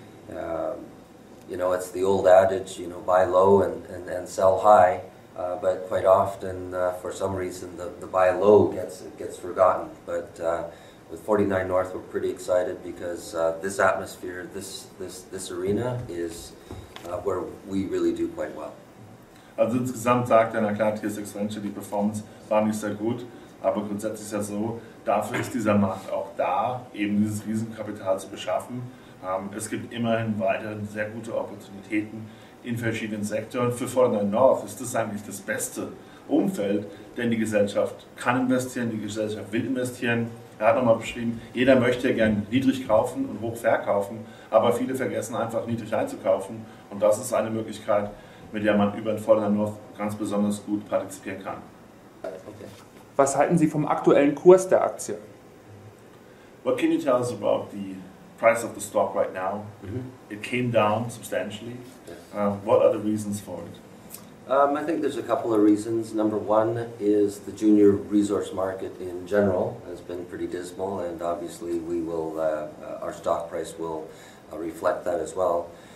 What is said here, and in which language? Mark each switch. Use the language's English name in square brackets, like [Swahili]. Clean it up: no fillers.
[English] You know, it's the old adage, you know, buy low and sell high, but quite often for some reason the buy low gets forgotten. But with 49 North we're pretty excited because this atmosphere, this arena is where we really do quite well. [German] Also insgesamt sagt er, na klar, TSX Venture, die Performance war nicht sehr gut, aber grundsätzlich ist ja so, dafür ist dieser Markt auch da, eben dieses Riesenkapital zu beschaffen. Es gibt immerhin weiter sehr gute Opportunitäten in verschiedenen Sektoren. Für 49 North ist das eigentlich das beste Umfeld, denn die Gesellschaft kann investieren, die Gesellschaft will investieren. Er hat nochmal beschrieben, jeder möchte ja gerne niedrig kaufen und hoch verkaufen, aber viele vergessen einfach niedrig einzukaufen. Und das ist eine Möglichkeit, mit der man über 49 North ganz besonders gut partizipieren kann. Was halten Sie vom aktuellen Kurs der Aktie? [English] What can you tell us about the price of the stock right now? Mm-hmm. It came down substantially. Yes. What are the reasons for it? I think there's a couple of reasons. Number one is the junior resource market in general has been pretty dismal, and obviously we will our stock price will reflect that as well.